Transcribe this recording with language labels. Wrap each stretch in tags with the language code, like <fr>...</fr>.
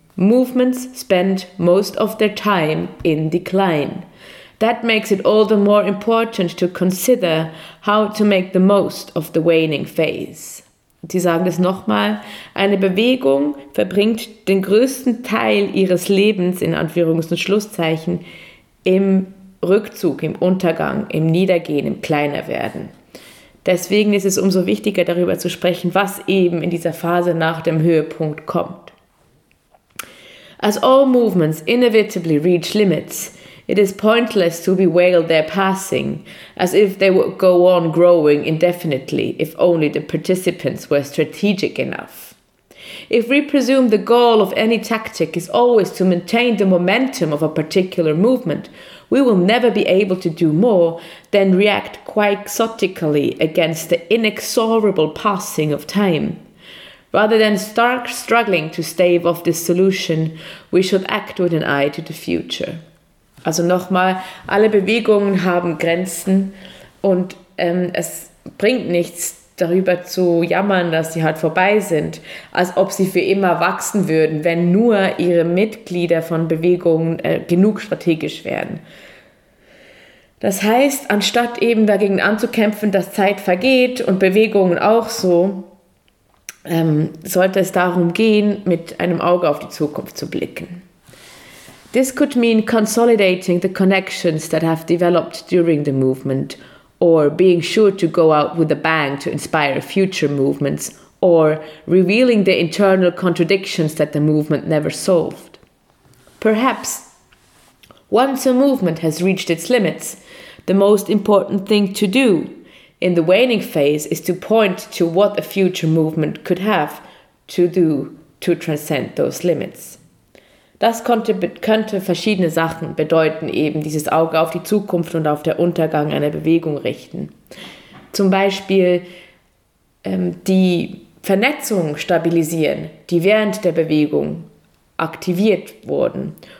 <en>Movements spend most of their time in decline. That makes it all the more important to consider how to make the most of the waning phase.</en> <de>Sie sagen es nochmal, eine Bewegung verbringt den größten Teil ihres Lebens, in Anführungs- und Schlusszeichen, im Rückzug, im Untergang, im Niedergehen, im Kleinerwerden. Deswegen ist es umso wichtiger, darüber zu sprechen, was eben in dieser Phase nach dem Höhepunkt kommt.</de> <en>As all movements inevitably reach limits, it is pointless to bewail their passing, as if they would go on growing indefinitely if only the participants were strategic enough. If we presume the goal of any tactic is always to maintain the momentum of a particular movement, we will never be able to do more than react quixotically against the inexorable passing of time. Rather than struggling to stave off this solution, we should act with an eye to the future.</en> <de>Also nochmal, alle Bewegungen haben Grenzen und es bringt nichts, darüber zu jammern, dass sie halt vorbei sind, als ob sie für immer wachsen würden, wenn nur ihre Mitglieder von Bewegungen genug strategisch wären. Das heißt, anstatt eben dagegen anzukämpfen, dass Zeit vergeht und Bewegungen auch so, sollte es darum gehen, mit einem Auge auf die Zukunft zu blicken.</de> <en>This could mean consolidating the connections that have developed during the movement, or being sure to go out with a bang to inspire future movements, or revealing the internal contradictions that the movement never solved. Perhaps, once a movement has reached its limits, the most important thing to do in the waning phase is to point to what a future movement could have to do to transcend those limits.</en> <de>Das könnte verschiedene Sachen bedeuten, eben dieses Auge auf die Zukunft und auf den Untergang einer Bewegung richten. Zum Beispiel die Vernetzung stabilisieren, die während der Bewegung aktiviert wurden.</de>